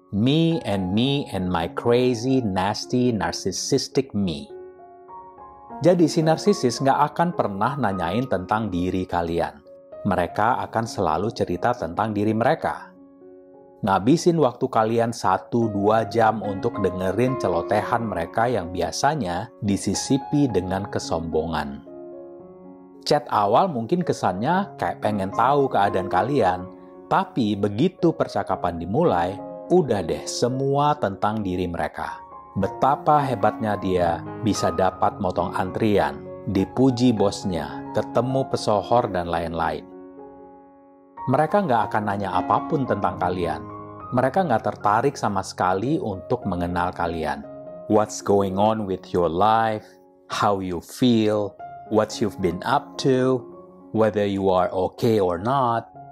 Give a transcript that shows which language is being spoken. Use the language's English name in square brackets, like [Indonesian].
[English] Me and my crazy, nasty, narcissistic me. [Indonesian] Jadi si narsisis nggak akan pernah nanyain tentang diri kalian. mereka akan selalu cerita tentang diri mereka. Ngabisin waktu kalian 1-2 jam untuk dengerin celotehan mereka yang biasanya disisipi dengan kesombongan. Chat awal mungkin kesannya kayak pengen tahu keadaan kalian, tapi begitu percakapan dimulai, udah deh semua tentang diri mereka. Betapa hebatnya dia bisa dapat motong antrian, dipuji bosnya, ketemu pesohor, dan lain-lain. Mereka nggak akan nanya apapun tentang kalian. Mereka nggak tertarik sama sekali untuk mengenal kalian. [English] What's going on with your life? How you feel? What you've been up to? Whether you are okay or not?